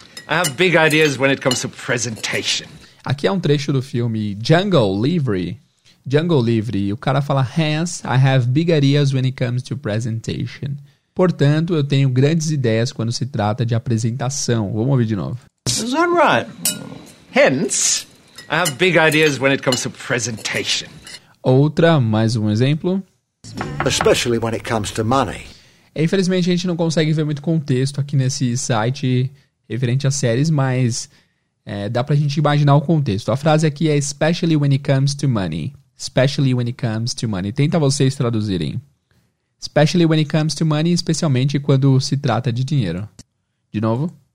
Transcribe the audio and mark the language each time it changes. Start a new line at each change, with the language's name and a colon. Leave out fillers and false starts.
English: I have big ideas when it comes to presentation.
Portuguese: Aqui é um trecho do filme Jungle Livre. Jungle Livre. O cara fala,
English: hence, I have big ideas when it comes to presentation.
Portuguese: Portanto, eu tenho grandes ideias quando se trata de apresentação. Vamos ouvir de novo.
English: Is that right? Hence, I have big ideas when it comes to presentation.
Portuguese: Outra, mais um exemplo.
English: Especially when it comes to money.
Portuguese: Infelizmente, a gente não consegue ver muito contexto aqui nesse site referente a séries, mas... dá pra gente imaginar o contexto. A frase aqui é
English: especially when it comes to money. Especially when it comes to money.
Portuguese: Tenta vocês traduzirem.
English: Especially when it comes to money,
Portuguese: especialmente quando se trata de dinheiro. De novo.